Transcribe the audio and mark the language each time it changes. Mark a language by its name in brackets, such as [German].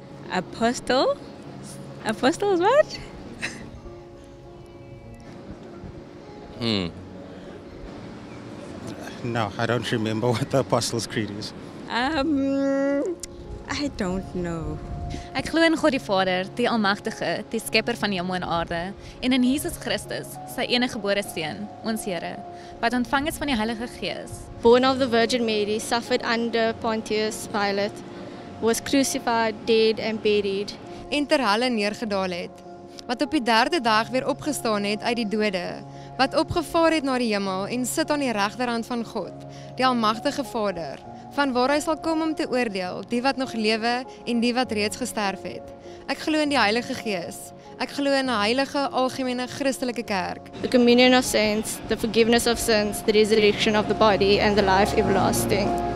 [English] Apostle? Apostles what? No, I don't remember what the Apostles' Creed is. I don't know. [Afrikaans] Ek glo in God die Vader, die Almagtige, die Skepper van hemel en aarde, en in Jesus Christus, sy enige gebore Seun, ons Here, wat ontvang is van die Heilige Gees. [English] Born of the Virgin Mary, suffered under Pontius Pilate, was crucified, dead and buried, [Afrikaans] en ter helle neergedaal het, wat op die derde dag weer opgestaan het uit die dode, wat opgevaar het na die hemel en sit aan die regterhand van God, die Almagtige Vader, van waar hy sal kom om te oordeel, die wat nog lewe en die wat reeds gesterf het. Ek glo in die Heilige Gees. Ek glo in 'n heilige, algemene, Christelike kerk. [English] The communion of saints, the forgiveness of sins, the resurrection of the body and the life everlasting.